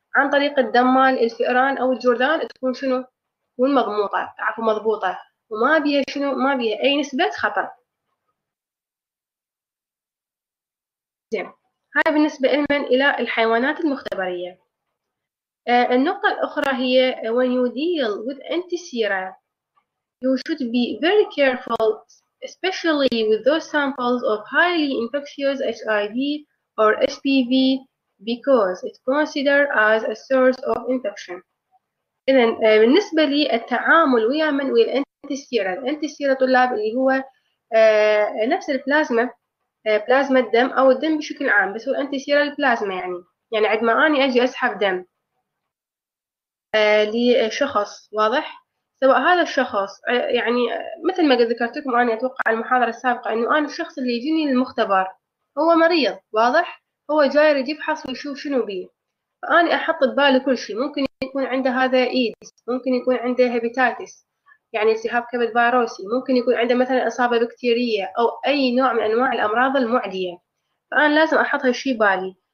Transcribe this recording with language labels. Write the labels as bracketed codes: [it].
[ar] عن طريق الدمال، الفئران او الجرذان تكون شنو؟ تكون مضبوطة، عفوا مضبوطة، وما بيها شنو؟ ما بيها اي نسبة خطأ. زين، هاي بالنسبة لمن؟ الى الحيوانات المختبرية. النقطة الأخرى هي [en] when you deal with antisera you should be very careful especially with those samples of highly infectious HIV or HPV because it's considered as a source of infection. [ar] إذن بالنسبة للتعامل ويا من ويا الانتسيرا، الانتسيرا طلاب اللي هو نفس البلازما، بلازما الدم أو الدم بشكل عام، بس هو الانتسيرا البلازما يعني، يعني عندما أنا أجي أسحب دم لشخص، واضح؟ سواء هذا الشخص يعني مثل ما ذكرت لكم أنا أتوقع المحاضرة السابقة إنه أنا الشخص اللي يجيني للمختبر هو مريض، واضح؟ هو جاي يريد يفحص ويشوف شنو بيه، فأنا أحط ببالي كل شيء، ممكن يكون عنده هذا إيدز، ممكن يكون عنده هيباتيتس يعني التهاب كبد فيروسي، ممكن يكون عنده مثلا إصابة بكتيرية أو أي نوع من أنواع الأمراض المعدية، فأنا لازم أحط هالشيء ببالي.